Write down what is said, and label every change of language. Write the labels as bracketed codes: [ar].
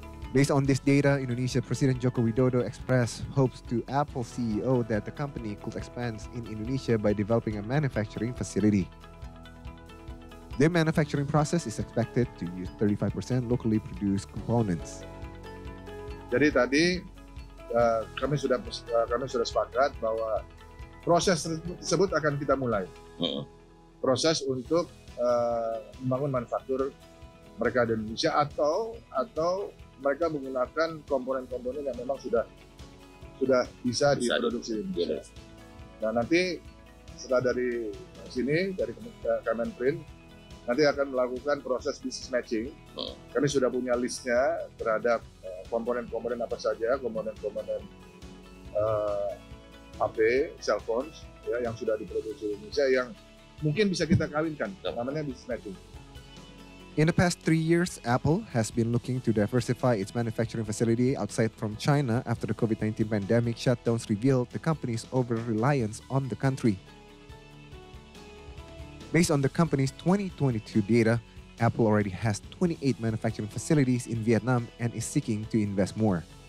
[en] Based on this data, Indonesia President Joko Widodo expressed hopes to Apple CEO that the company could expand in Indonesia by developing a manufacturing facility. Their manufacturing process is expected to use 35% locally produced components. [id] Jadi tadi kami sudah sepakat bahwa proses tersebut akan kita mulai. Proses untuk membangun manufaktur mereka di Indonesia atau mereka menggunakan komponen-komponen yang memang sudah bisa diproduksi di Indonesia. Nah, nanti setelah dari sini dari Kemenprint nanti akan melakukan proses business matching. Kami sudah punya listnya terhadap komponen-komponen apa saja, komponen-komponen HP, cell phones ya, yang sudah diproduksi di Indonesia yang mungkin bisa kita kawinkan, namanya business matching. [en] In the past 3 years, Apple has been looking to diversify its manufacturing facility outside from China after the COVID-19 pandemic shutdowns revealed the company's over-reliance on the country. Based on the company's 2022 data, Apple already has 28 manufacturing facilities in Vietnam and is seeking to invest more.